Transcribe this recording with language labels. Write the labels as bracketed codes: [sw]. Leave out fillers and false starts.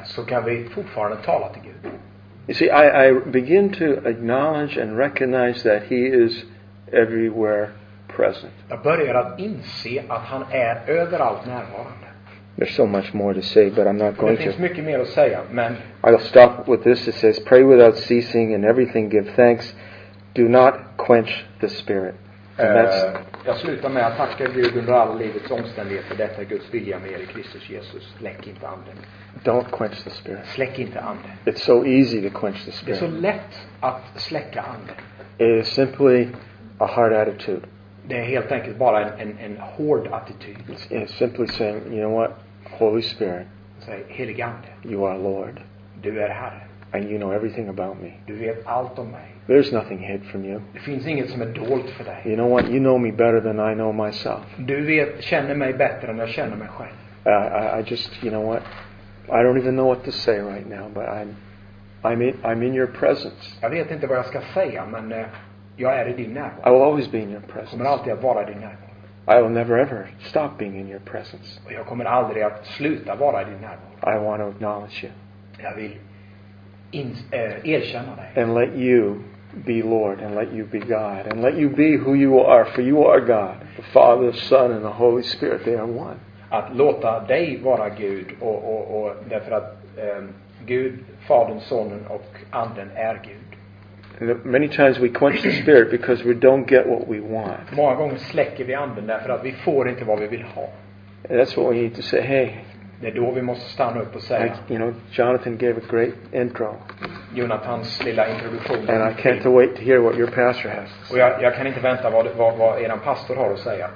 [sv] Så kan vi fortfarande tala till Gud. [en] You see, I begin to acknowledge and recognize that He is everywhere. [sv] Jag börjar att inse att han är överallt närvarande. [en] There's so much more to say, but I'm not going to. [sv] Det finns mycket mer att säga, men [en] I'll stop with this. It says, pray without ceasing and everything give thanks. Do not quench the Spirit. And that's. [sv] Jag slutar med att tacka Gud under alla livets omständigheter. Detta är Guds vilja med er i Kristus Jesus. Släck inte anden. [en] Don't quench the Spirit. [sv] Släck inte anden. [en] It's so easy to quench the Spirit. [sv] Det är så lätt att släcka anden. [en] It is simply a heart attitude. [sv] det är helt enkelt bara en hård attityd. [en] It's simply saying, you know what, Holy Spirit. [sv] Säg, helige ande. [en] You are Lord. [sv] Du är Herre. [en] And you know everything about me. [sv] Du vet allt om mig. [en] There's nothing hid from you. [sv] Det finns inget som är dolt för dig. [en] You know what? You know me better than I know myself. [sv] Du vet, känner mig bättre än jag känner mig själv. [en] I just, you know what? I don't even know what to say right now, but I'm in your presence. [sv] Jag vet inte vad jag ska säga, men jag är i din närvaro. [en] I will always be in your presence. [sv] Kommer alltid att vara i din närvaro. [en] I will never ever stop being in your presence. [sv] Och jag kommer aldrig att sluta vara i din närvaro. [en] I want to acknowledge you. [sv] Jag vill erkänna dig. [en] And let you be Lord, and let you be God, and let you be who you are, for you are God, the Father, the Son, and the Holy Spirit, they are one. [sv] Att låta dig vara Gud och därför att Gud, Fadern, Sonen och Anden är Gud. [en] Many times we quench the spirit because we don't get what we want. [sv] Många gånger släcker vi anden därför att vi får inte vad vi vill ha. [en] That's what we need to say, hey. [sv] Det är då vi måste stanna upp och säga. [en] You know, Jonathan gave a great intro. [sv] Jonathans lilla introduktion. [en] And I can't wait to hear what your pastor has. [sv] Och jag kan inte vänta vad er pastor har att säga.